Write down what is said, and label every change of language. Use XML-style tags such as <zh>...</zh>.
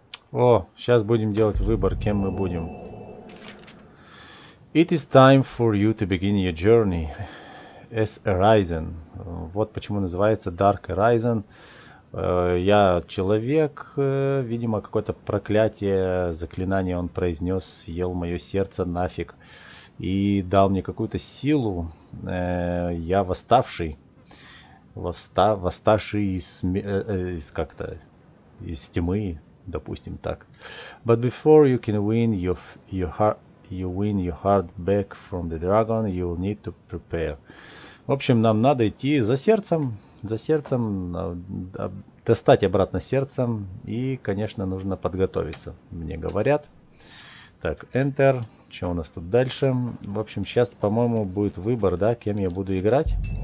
<ru>О, сейчас будем делать выбор, кем мы будем.</ru> <en>It is time for you to begin your journey as Arisen.</en> <ru>Вот почему называется Dark Arisen. Я человек, видимо, какое-то проклятие, заклинание он произнес, съел мое сердце нафиг и дал мне какую-то силу. Я восставший. Восставший из тьмы. Допустим так.</ru> <en>But before you can win your heart back from the dragon, you will need to prepare.</en> <ru>В общем, нам надо идти за сердцем, достать обратно сердцем, и, конечно, нужно подготовиться, мне говорят. Так, Enter. Что у нас тут дальше? В общем, сейчас, по-моему, будет выбор, да, кем я буду играть.</ru>